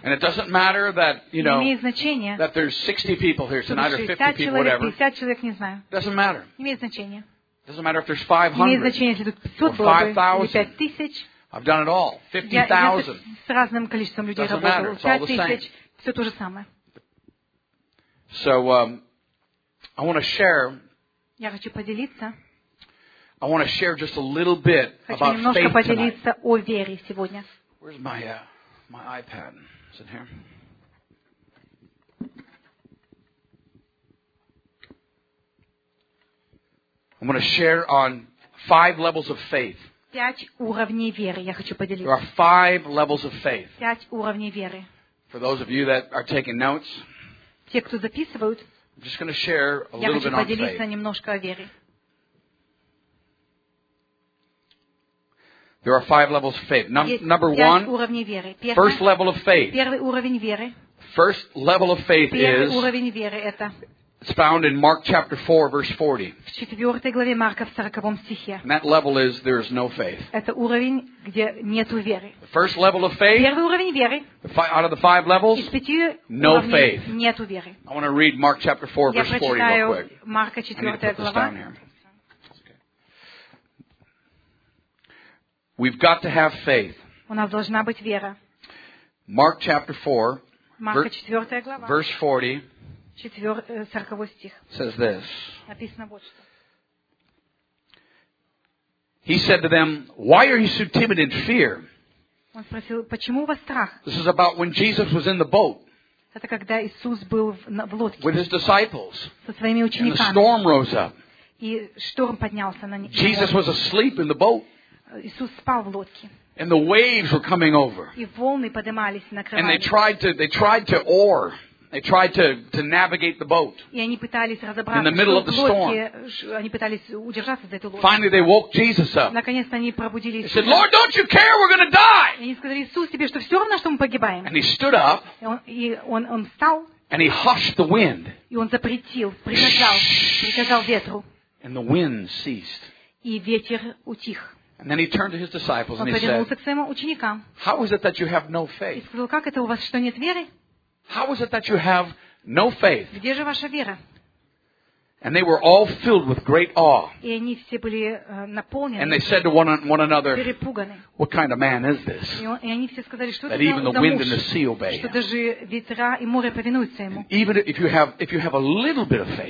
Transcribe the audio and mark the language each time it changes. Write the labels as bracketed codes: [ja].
[en] And it doesn't matter that, you know, [ru] имеет значение, [en] that there's 60 people here tonight or 50 [ru] человек, [en] people, whatever. [ru] 50 человек, не знаю. [en] Doesn't matter. [ru] Имеет значение. [en] Doesn't matter if there's 500. [ru] Имеет значение, если тут 500 было бы, или 5000. [en] I've done it all. 50,000. [ru] С разным количеством людей работал. 5000. Все то же самое. [en] So I want to share. [ru] Я хочу поделиться. [en] I want to share just a little bit about faith tonight. [ru] Хочу немножко поделиться о вере сегодня. [en] Where's my iPad? Is it here? I'm going to share on five levels of faith. [ru] Пять уровней веры я хочу поделиться. [en] There are five levels of faith. [ru] Пять уровней веры. [en] For those of you that are taking notes. [ru] Те, кто записывают. [en] I'm just going to share a little bit on faith. [ru] Я хочу поделиться немножко о вере. [en] There are five levels of faith. Number one. [ru] Пять уровней веры. [en] First level of faith. [ru] Первый уровень веры. [en] First level of faith is. [ru] Первый уровень веры это. [en] It's found in Mark chapter 4, verse 40. [ru] В четвертой главе Марка в сороковом стихе. [en] And that level is there is no faith. [ru] Это уровень, где нету веры. [en] The first level of faith. [ru] Первый уровень веры. [en] Out of the five levels. [ru] Из пяти [en] no faith. [ru] Нету веры. [en] I want to read Mark chapter 4, [ru] я [en] verse 40 real quick. [ru] Марка четвертая глава. [en] Okay. We've got to have faith. [ru] У нас должна быть вера. [en] Mark chapter 4. [ru] Марка четвертая глава. [en] Verse 40. [ru] Четвертый, сороковой стих. Написано вот что. [en] He said to them, "Why are you so timid and fear?" [ru] Он спросил, почему у вас страх? [en] This is about when Jesus was in the boat. [ru] Это когда Иисус был в лодке. [en] With his disciples. [ru] Со своими учениками. [en] And the storm rose up. [ru] И шторм поднялся на них. [en] Jesus was asleep in the boat. [ru] Иисус спал в лодке. [en] And the waves were coming over. [ru] И волны поднимались, накрывали. [en] And they tried to oar. They tried to navigate the boat. [ru] И они пытались разобраться. [en] In the middle of the storm. [ru] Они пытались удержаться за эту лодку. [en] Finally, they woke Jesus up. [ru] Наконец-то они пробудили [en] Иисуса. Said, Lord, don't you care? We're going to die. [ru] И они сказали: Иисус, тебе что, все равно, что мы погибаем? [en] And he stood up. [ru] И он встал. [en] And he hushed the wind. [ru] И он запретил, приказал ветру. [en] And the wind ceased. [ru] И ветер утих. [en] And then he turned to his disciples and he said, How is it that you have no faith? [ru] И сказал: Как это у вас, что нет веры? [en] How is it that you have no faith? [ru] Где же ваша вера? [en] And they were all filled with great awe. [ru] И они все были наполнены. [en] And they said to one another, [ru] перепуганы. [en] What kind of man is this? [ru] И они все сказали, что [en] that even the wind and the sea obey. [ru] Что даже ветра и море повинуются ему. [en] Even if you have a little bit of faith.